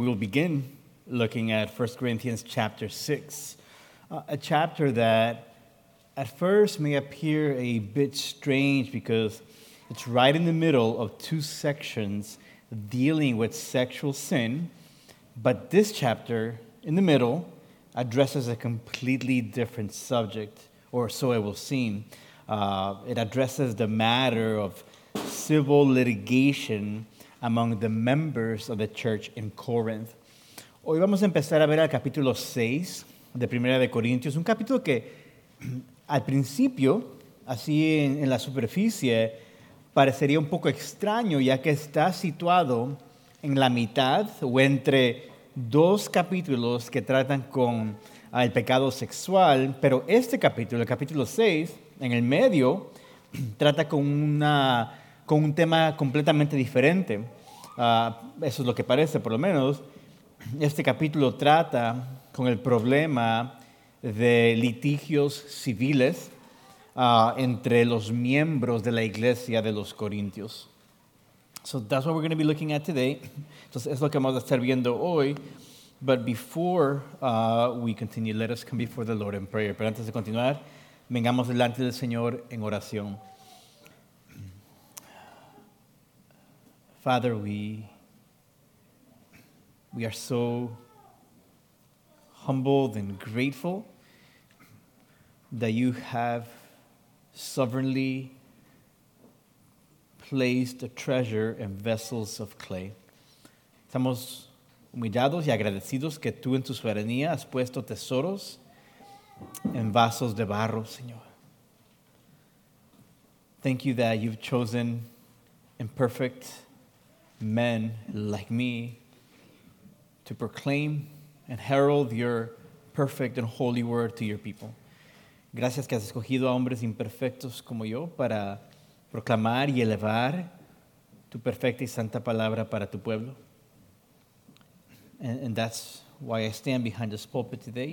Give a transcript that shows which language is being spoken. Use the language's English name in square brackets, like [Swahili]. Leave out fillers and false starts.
[English] We will begin looking at 1 Corinthians chapter 6, a chapter that at first may appear a bit strange because it's right in the middle of two sections dealing with sexual sin, but this chapter in the middle addresses a completely different subject, or so it will seem. It addresses the matter of civil litigation among the members of the church in Corinth. [Spanish] Hoy vamos a empezar a ver el capítulo 6 de Primera de Corintios, un capítulo que al principio, así en la superficie, parecería un poco extraño, ya que está situado en la mitad o entre dos capítulos que tratan con el pecado sexual, pero este capítulo, el capítulo 6, en el medio, trata con un tema completamente diferente. Eso es lo que parece, por lo menos. Este capítulo trata con el problema de litigios civiles entre los miembros de la iglesia de los corintios. [English] So that's what we're going to be looking at today. [Spanish] Entonces, es lo que vamos a estar viendo hoy. [English] But before we continue, let us come before the Lord in prayer. [Spanish] Pero antes de continuar, vengamos delante del Señor en oración. [English] Father, we are so humbled and grateful that you have sovereignly placed a treasure in vessels of clay. [Spanish] Estamos humillados y agradecidos que tú en tu soberanía has puesto tesoros en vasos de barro, Señor. [English] Thank you that you've chosen imperfect men like me to proclaim and herald your perfect and holy word to your people. [Spanish] Gracias que has escogido a hombres imperfectos como yo para proclamar y elevar tu perfecta y santa palabra para tu pueblo. [English] And that's why I stand behind this pulpit today.